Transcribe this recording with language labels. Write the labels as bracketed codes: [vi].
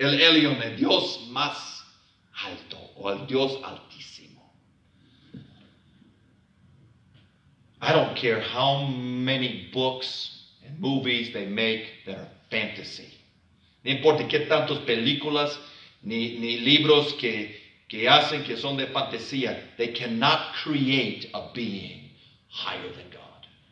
[es] El Elyon, el Dios más alto, o el Dios altísimo. [en] I don't care how many books and movies they make that are fantasy. [es] No importa qué tantas películas ni libros que hacen que son de fantasía. [en] They cannot create a being higher than God.